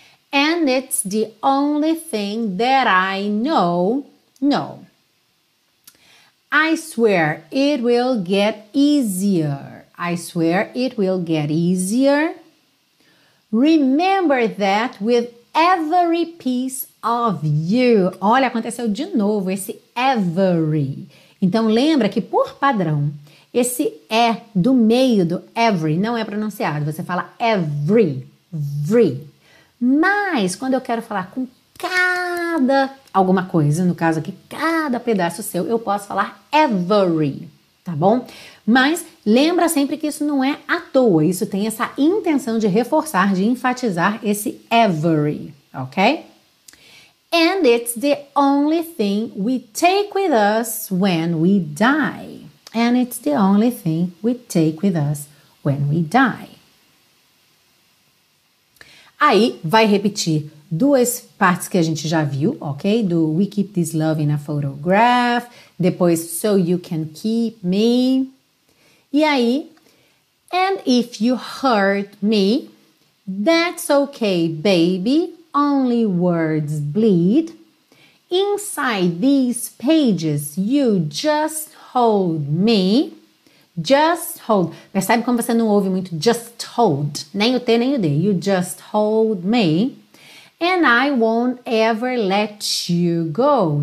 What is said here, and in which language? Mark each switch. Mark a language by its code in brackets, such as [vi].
[en] And it's the only thing that I know, no. I swear it will get easier. I swear it will get easier. Remember that with every piece of you. [pt] Olha, aconteceu de novo esse every. Então, lembra que por padrão, esse E do meio do every não é pronunciado. Você fala every, every. Mas, quando eu quero falar com cada alguma coisa, no caso aqui, cada pedaço seu, eu posso falar every, tá bom? Mas, lembra sempre que isso não é à toa. Isso tem essa intenção de reforçar, de enfatizar esse every, ok? [en] And it's the only thing we take with us when we die. And it's the only thing we take with us when we die. [pt] Aí, vai repetir duas partes que a gente já viu, ok? [en] Do we keep this love in a photograph. [pt] Depois, [en] so you can keep me. [pt] E aí, [en] and if you hurt me, that's okay, baby. Only words bleed. Inside these pages, you just hold me. Just hold. [pt] Percebe como você não ouve muito [en] just hold. [pt] Nem o T, nem o D. [en] You just hold me. And I won't ever let you go.